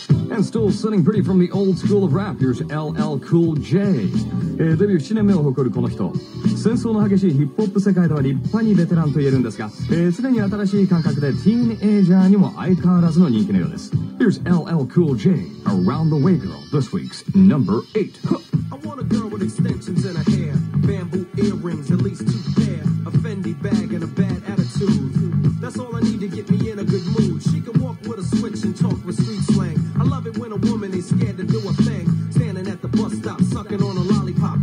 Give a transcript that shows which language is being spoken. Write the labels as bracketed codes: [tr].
[en] And still sitting pretty from the old school of rap, here's LL Cool J. [ja] デビュー7年目を誇るこの人、戦争の激しいヒップホップ世界では立派にベテランと言えるんですが、常に新しい感覚でティーンエイジャーにも相変わらずの人気のようです。 [en] Here's LL Cool J, Around the Way Girl, this week's number 8. I want a girl with extensions in her hair, bamboo earrings, at least 2 pair, a Fendi bag and a bad attitude. That's all I need to get me in a good mood. She can walk with a switch and talk with street slang. I love it when a woman ain't scared to do a thing, standing at the bus stop sucking on a lollipop.